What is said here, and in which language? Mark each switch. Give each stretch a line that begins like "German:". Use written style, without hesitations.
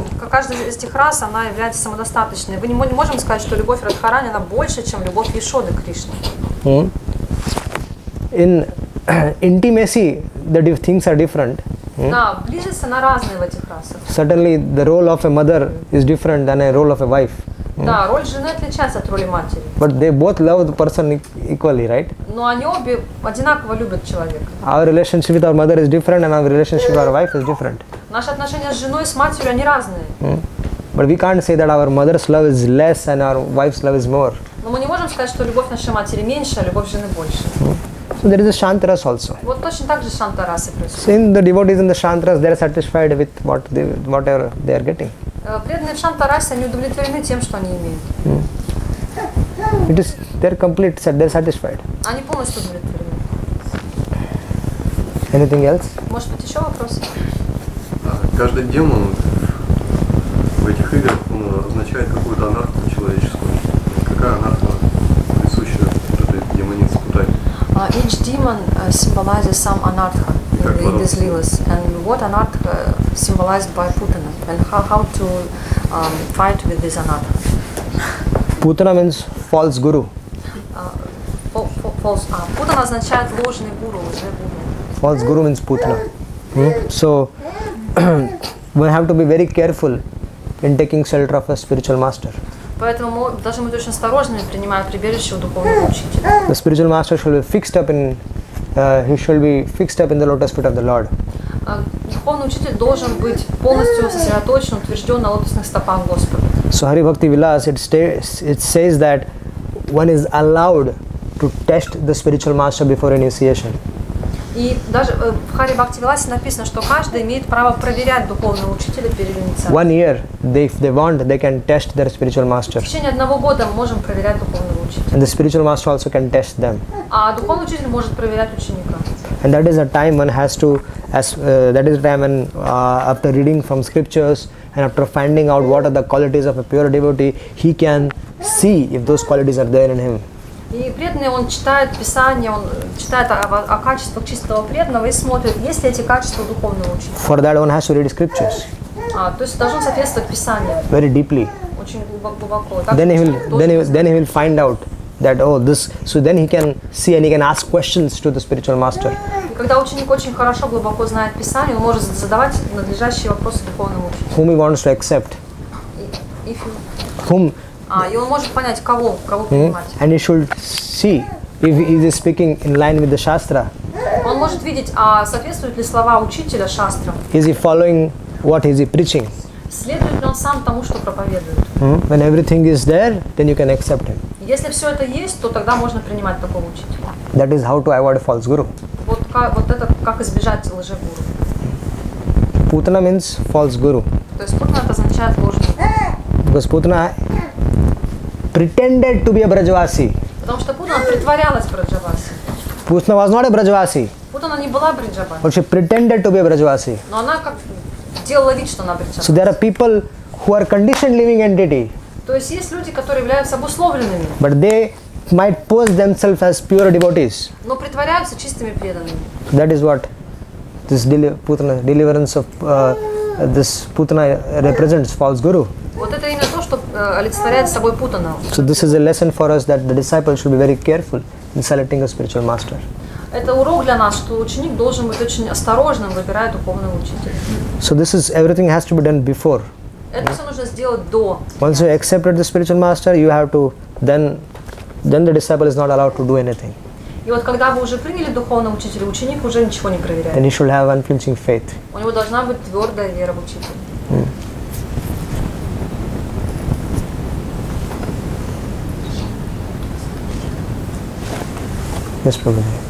Russian: Каждая из этих рас, она является самодостаточной. Мы не можем сказать, что любовь Радхарани, она больше, чем любовь Яшоды Кришны.
English: In intimacy, the things are different.
Russian: Да, близость, она разная в этих расах.
English: Certainly, the role of a mother is different than a role of a wife.
Russian: Да, роль жены отличается от роли матери.
English: But they both love the person equally, right?
Russian: Но они обе одинаково любят человека.
English: Our relationship with our mother is different and our relationship with our wife is different.
Russian: Наши отношения с женой и с матерью, они разные.
English: But we can't say that our mother's love is less and our wife's love is more.
Russian: Но мы не можем сказать, что любовь нашей матери меньше, а любовь жены больше.
English: So there is a Shantaras also.
Russian: Вот точно так же Шантарасы происходят.
English: So in the devotees in the Shantaras, they are satisfied with whatever they are getting.
Russian: Преданные в Шантарасе, они удовлетворены тем, что они имеют.
English: It is, they are complete, they are satisfied.
Russian: Они полностью удовлетворены.
English: Anything else?
Russian: Может быть, еще вопросы? Каждый демон в этих играх, он означает какую-то анархму человеческую. Какая анархма присуща этой демонице Путане?
English: Each demon symbolizes some anartha in these lilas. And what anartha symbolized by Putana? And how to fight with this anartha? Putana means false guru.
Russian: Putana означает ложный гуру, лже-гуру.
English: False guru means Putana. So, we have to be very careful in taking shelter of a spiritual master.
Russian: Поэтому мы должны быть очень осторожными, принимая прибежище у духовного учителя.
English: The spiritual master should be fixed up in, he should be fixed up in the lotus feet of the Lord.
Russian: Духовный учитель должен быть полностью сосредоточен, утвержден на лотосных стопах Господа.
English: So Hari Bhakti Vilas, it says that one is allowed to test the spiritual master before initiation.
Russian: И даже в Харе Бхакти Виласе написано, что каждый имеет право проверять духовного учителя перед инициацией.
English: One year, if they want, they can test their spiritual master.
Russian: В течение одного года мы можем проверять духовного учителя.
English: And the spiritual master also can test them.
Russian: А духовный учитель может проверять ученика.
English: And that is a time one has to, after reading from scriptures and after finding out what are the qualities of a pure devotee, he can see if those qualities are there in him.
Russian: И преданный, он читает Писание, он читает о качествах чистого преданного и смотрит, есть ли эти качества духовного учителя.
English: For that one has to read scriptures.
Russian: То есть должен соответствовать Писанию.
English: Very deeply.
Russian: Очень глубоко.
English: Then he will find out that then he can see and he can ask questions to the spiritual master.
Russian: Когда ученик очень хорошо глубоко знает Писание, он может задавать надлежащие вопросы духовному учителю.
English: Whom he wants to accept.
Russian: И он может понять, кого принимать.
English: And he should see if he is speaking in line with the Shastra.
Russian: Он может видеть, соответствуют ли слова учителя Шастра.
English: Is he following what is he preaching?
Russian: Следует ли он сам тому, что проповедует?
English: When everything is there, then you can accept him.
Russian: Если все это есть, то тогда можно принимать такого учителя.
English: That is how to avoid false guru.
Russian: Вот это как избежать лжегуру.
English: Putana means false guru.
Russian: То есть Putana означает ложный гуру.
English: Because Putana pretended to be a Brajavasi.
Russian: Потому что Путана притворялась Брajavasi.
English: Putana was not a Brajavasi.
Russian: Путана не была Брajavasi.
English: But she pretended to be a Brajavasi.
Russian: Но она как делала вид, что она Брajavasi.
English: So there are people who are conditioned living entity.
Russian: То есть есть люди, которые являются обусловленными.
English: But they might pose themselves as pure devotees.
Russian: Но притворяются чистыми преданными.
English: That is what this Putana represents false guru.
Russian: Вот это именно то, что олицетворяет собой Путана.
English: So this is a lesson for us that the disciple should be very careful in selecting a spiritual master.
Russian: Это урок для нас, что ученик должен быть очень осторожным, выбирая духовного учителя.
English: So this is everything has to be done before.
Russian: Это все нужно сделать до.
English: Once you accepted the spiritual master, you have to then the disciple is not allowed to do anything.
Russian: И вот когда вы уже приняли духовного учителя, ученик уже ничего не проверяет.
English: Then he should have unflinching faith.
Russian: У него должна быть твердая вера в учителя.
English: Yes, probably.